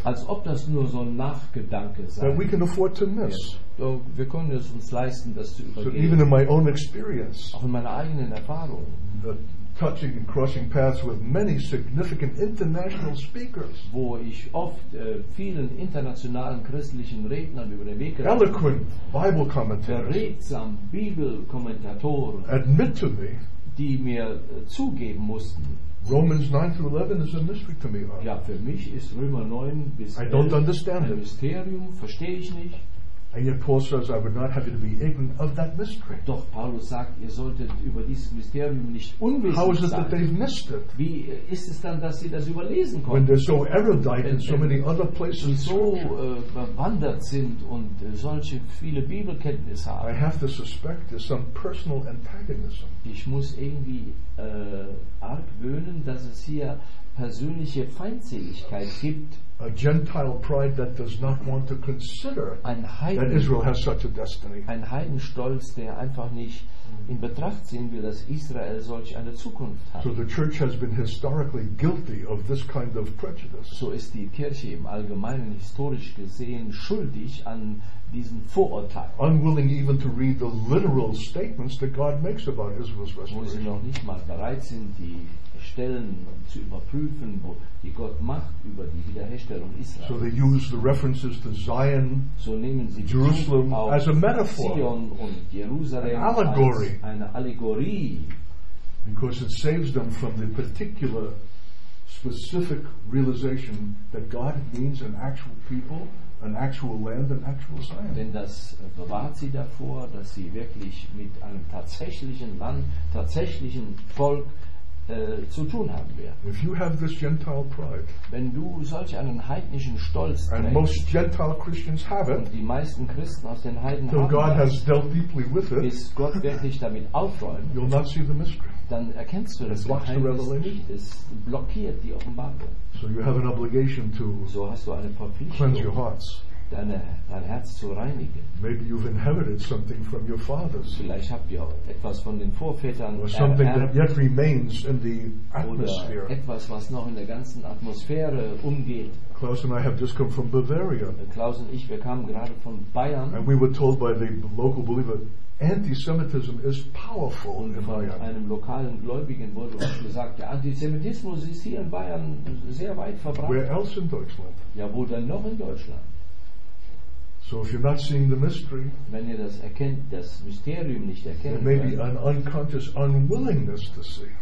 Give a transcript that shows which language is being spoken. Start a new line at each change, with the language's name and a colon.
German: Als ob das nur so ein Nachgedanke sei.
English: That we can afford to miss.
German: Ja. Wir können es uns leisten, das zu übergehen.
English: So even in my own experience.
German: Auch in meiner eigenen Erfahrung.
English: That touching and crossing paths with many significant international speakers.
German: Wo ich oft vielen internationalen christlichen Rednern über den Weg
English: gelaufen. Eloquent Bible commentators.
German: Beredsam Bibelkommentatoren.
English: Admit to me.
German: Die mir zugeben mussten.
English: Romans 9 through 11 is a mystery to me.
German: Ja, für mich ist Römer 9 bis
English: 11 I don't understand
German: ein Mysterium. Verstehe ich nicht.
English: And yet Paul says, "I would not have you to be ignorant of that mystery."
German: Doch Paulus sagt, ihr solltet über dieses Mysterium nicht unwissend
English: How is it
German: sein.
English: That they've missed it?
German: Wie ist es dann, dass sie das überlesen konnten?
English: When they're so erudite in so many other places,
German: und so bewandert sind und solche viele Bibelkenntnisse haben.
English: I have to suspect there's some personal antagonism.
German: Ich muss irgendwie argwöhnen, dass es hier persönliche Feindseligkeit gibt.
English: A Gentile pride that does not want to consider that Israel has such a destiny.
German: Ein Heidenstolz, der einfach nicht in Betracht ziehen will, dass Israel solch eine Zukunft hat.
English: So the church has been historically guilty of this kind of prejudice.
German: So ist die Kirche im Allgemeinen historisch gesehen schuldig an diesen Vorurteil.
English: Unwilling even to read the literal statements that God makes about Israel's restoration.
German: Wo sie noch nicht mal bereit sind, die Stellen zu überprüfen, die Gott macht über die Wiederherstellung Israels.
English: So they use the references to Zion,
German: so nehmen sie
English: Jerusalem as a metaphor,
German: Zion und Jerusalem
English: an allegory,
German: als eine Allegorie.
English: Because it saves them from the particular specific realization that God means an actual people, an actual land, an actual Zion.
German: Denn das bewahrt sie davor, dass sie wirklich mit einem tatsächlichen Land, tatsächlichen Volk zu tun haben wir.
English: If you have this Gentile pride,
German: wenn du solch einen heidnischen Stolz
English: and
German: trägst,
English: most Gentile Christians have it,
German: und die meisten Christen aus den Heiden
English: so
German: haben
English: God has dealt deeply with it,
German: ist Gott wirklich damit aufräumt,
English: you'll not see the mystery.
German: Dann erkennst du das Geheimnis nicht. Es blockiert die Offenbarung.
English: So, you have an obligation to
German: so hast du eine Verpflichtung,
English: cleanse your hearts.
German: Dein Herz zu reinigen.
English: Maybe you've inherited something from your fathers.
German: Vielleicht habt ihr auch etwas von den Vorvätern
English: or something that yet remains in the atmosphere.
German: Oder etwas, was noch in der ganzen Atmosphäre umgeht.
English: Klaus and I have just come from Bavaria.
German: Klaus und ich, wir kamen gerade von Bayern.
English: And we were told by the local believer, Antisemitism is powerful
German: und in Bayern. Einem lokalen Gläubigen wurde uns gesagt, der Antisemitismus ist hier in Bayern sehr weit verbreitet.
English: Where else in Deutschland?
German: Ja, wo denn noch in Deutschland?
English: So if you're not seeing the mystery,
German: wenn ihr das erkennt, das Mysterium nicht erkennt,
English: there may be an unconscious unwillingness to see.